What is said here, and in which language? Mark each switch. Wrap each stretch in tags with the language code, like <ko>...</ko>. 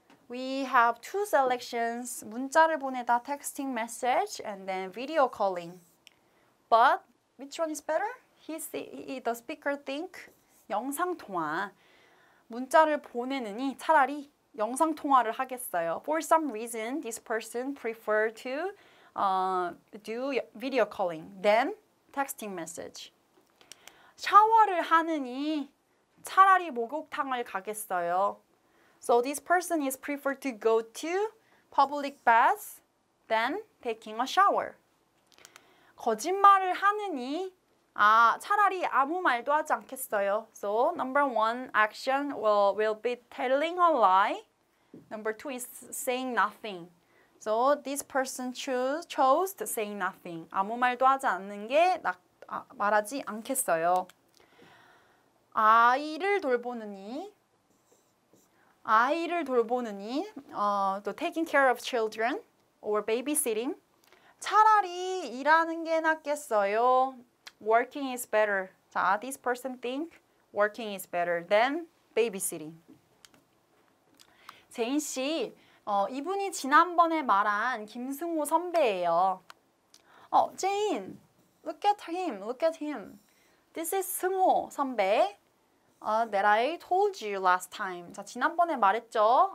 <en>we have two selections.</en> <ko>문자를 보내다,</ko> <en>texting message, and then video calling. But, which one is better? The speaker think.</en> <ko>영상통화, 문자를 보내느니 차라리 영상통화를 하겠어요.</ko> <en>For some reason, this person prefer to do video calling than texting message.</en> <ko>샤워를 하느니 차라리 목욕탕을 가겠어요.</ko> <en>So this person is preferred to go to public baths than taking a shower.</en> <ko>거짓말을 하느니 아, 차라리 아무 말도 하지 않겠어요.</ko> <en>So number one action will be telling a lie. Number two is saying nothing. So this person chose to say nothing.</en> <ko>아무 말도 하지 않는 게 말하지 않겠어요. 아이를 돌보느니 아이를 돌보느니 또</ko> <en>taking care of children or babysitting.</en> <ko>차라리 일하는 게 낫겠어요.</ko> <en>Working is better. 자, this person think working is better than babysitting.</en> <ko>제인 씨, 이분이 지난번에 말한 김승호 선배예요.</ko> <en>어, 제인, look at him, look at him. This is 승호 선배. That I told you last time.</en> <ko>자, 지난번에 말했죠?</ko>